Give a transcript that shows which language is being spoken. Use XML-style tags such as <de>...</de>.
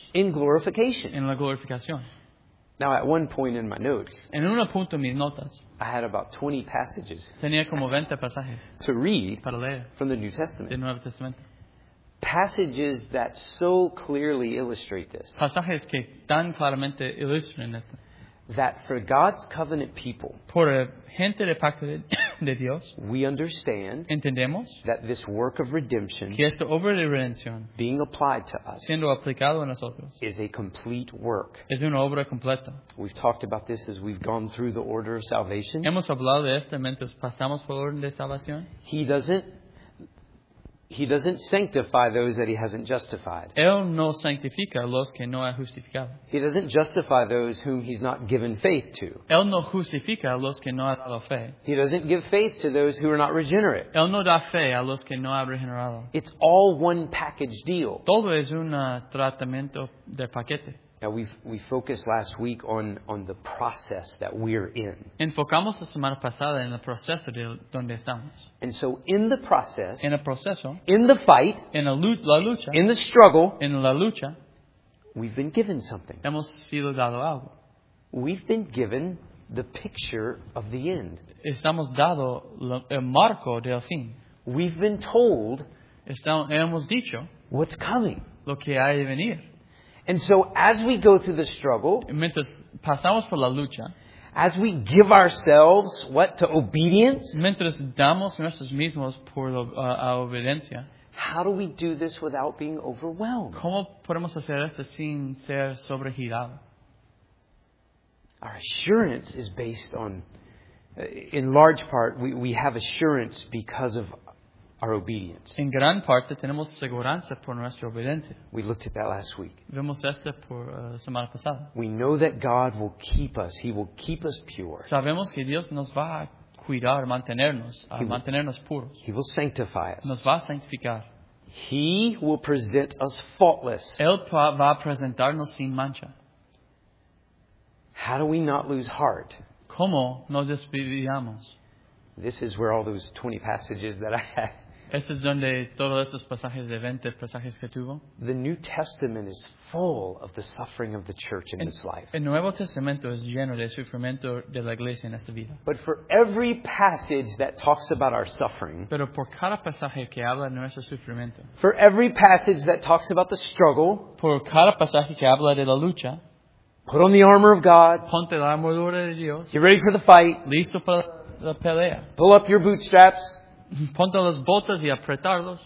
<en>In glorification.</en> <es>En la glorificación.</es> <en>Now, at one point in my notes,</en> <es>en un punto en mis notas,</es> <en>I had about 20 passages,</en> <es>tenía como 20 pasajes</es> <en>to read</en> <es>para leer</es> <en>from the New Testament.</en> <es>Del Nuevo Testamento.</es> <en>Passages that so clearly illustrate this.</en> <es>Pasajes que tan claramente ilustran esto.</es> <en>That for God's covenant people,</en> <es>por gente de pacto de Dios,</es> <en>we understand,</en> <es>entendemos,</es> <en>that this work of redemption,</en> <es>que esta obra de redención,</es> <en>being applied to us,</en> <es>siendo aplicado a nosotros,</es> <en>is a complete work.</en> <es>Es una obra completa.</es> <en>We've talked about this as we've gone through the order of salvation.</en> <es>Hemos hablado de esto mientras pasamos por orden de salvación.</es> <en>He doesn't sanctify those that he hasn't justified.</en> <es>Él no sanctifica los que no ha justificado.</es> <en>He doesn't justify those whom he's not given faith to.</en> <es>Él no justifica los que no ha dado fe.</es> <en>He doesn't give faith to those who are not regenerate.</en> <es>Él no da fe a los que no ha regenerado.</es> <en>It's all one package deal.</en> <es>Todo es un tratamiento de paquete.</es> <en>Now we focused last week on the process that we're in.</en> <es>Enfocamos la semana pasada en el proceso de donde estamos.</es> <en>And so in the process,</en> <es>en el proceso,</es> <en>in the fight,</en> <es>en la lucha,</es> <en>in the struggle,</en> <es>en la lucha,</es> <en>we've been given something.</en> <es>Hemos sido dado algo.</es> <en>We've been given the picture of the end.</en> <es>Estamos dado el marco del fin.</es> <en>We've been told,</en> <es>hemos dicho,</es> <en>what's coming.</en> <es>Lo que hay de venir.</es> <en>And so as we go through the struggle,</en> <es>mientras pasamos por la lucha,</es> <en>as we give ourselves, what, to obedience,</en> <es>mientras damos nosotros mismos por la obediencia,</es> <en>how do we do this without being overwhelmed?</en> <es>¿Cómo podemos hacer esto sin ser sobregirado?</es> <en>Our assurance is based on, in large part, we have assurance because of our obedience.</en> <es>En gran parte tenemos seguridad por nuestra obediencia.</es> <en>We looked at that last week.</en> <es>Vemos esto por semana pasada.</es> <en>We know that God will keep us. He will keep us pure.</en> <es>Sabemos que Dios nos va a cuidar, mantenernos, mantenernos puros.</es> <en>He will sanctify us.</en> <es>Nos va a santificar.</es> <en>He will present us faultless.</en> <es>Él va a presentarnos sin mancha.</es> <en>How do we not lose heart?</en> <es>¿Cómo no desviamos?</es> <en>This is where all those 20 passages that I had.</en> <es>Este es donde todos esos pasajes de 20 pasajes que tuvo.</es> <en>The New Testament is full of the suffering of the church in this life.</en> <es>El Nuevo Testamento es lleno de sufrimiento de la iglesia en esta vida.</es> <en>But for every passage that talks about our suffering,</en> <es>pero por cada pasaje que habla de nuestro sufrimiento,</es> <en>for every passage that talks about the struggle,</en> <es>por cada pasaje que habla de la lucha,</es> <en>put on the armor of God,</en> <es>ponte la armadura de Dios,</es> <en>get ready for the fight,</en> <es>listo para la pelea,</es> <en>pull up your bootstraps,</en> <es>ponte las botas y apretarlos.</es>